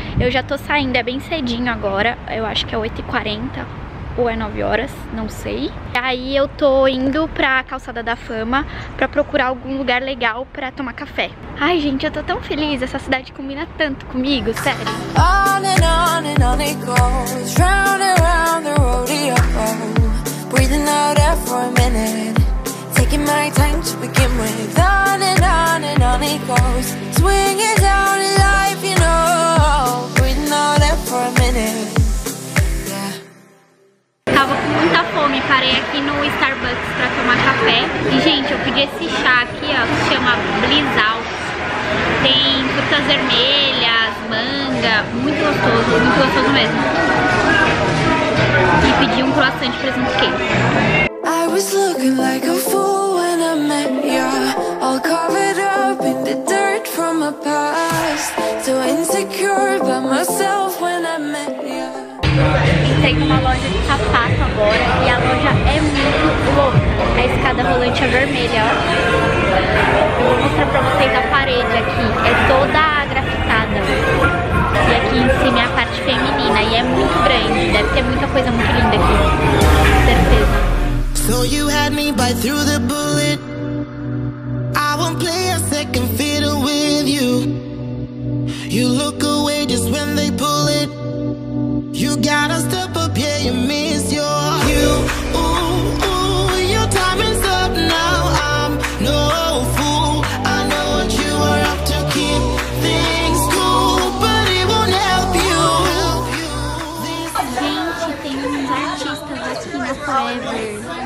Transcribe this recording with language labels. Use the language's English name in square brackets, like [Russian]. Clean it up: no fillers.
[Portuguese] Eu já tô saindo, é bem cedinho agora, eu acho que é 8h40 ou é 9 horas, não sei. E aí eu tô indo pra Calçada da Fama pra procurar algum lugar legal pra tomar café. Ai, gente, eu tô tão feliz. Essa cidade combina tanto comigo, sério. [English] On and on it goes, round and round the rodeo. Breathing out air for a minute, taking my time to begin with. On and it goes, swing it down in life, you know. Breathing out air for a minute. [Portuguese] Tava com muita fome, parei aqui no Starbucks pra tomar café. E, gente, eu pedi esse chá aqui, ó, que se chama Bliss Out. Tem frutas vermelhas, manga, muito gostoso mesmo. E pedi um croissant de presunto quente. [English] I was looking like a fool when I met ya. All covered up in the dirt from my past. So insecure by myself when I met ya. [Portuguese] Entrei numa loja de sapato agora e a loja é muito louca. A escada rolante é vermelha, ó. Eu vou mostrar pra vocês a parede aqui. É toda grafitada. E aqui em cima é a parte feminina e é muito grande. Deve ter muita coisa muito linda aqui. Certeza. [English] So you had me bite through the bullet. I won't play a second fiddle with you. You look away just when they pull it. You gotta step up, yeah, you miss your cue. Ooh, ooh, your time is up now. I'm no fool. I know what you are up to, keep things cool, but it won't help you. [Portuguese] Gente, tem uns artistas aqui na Forever.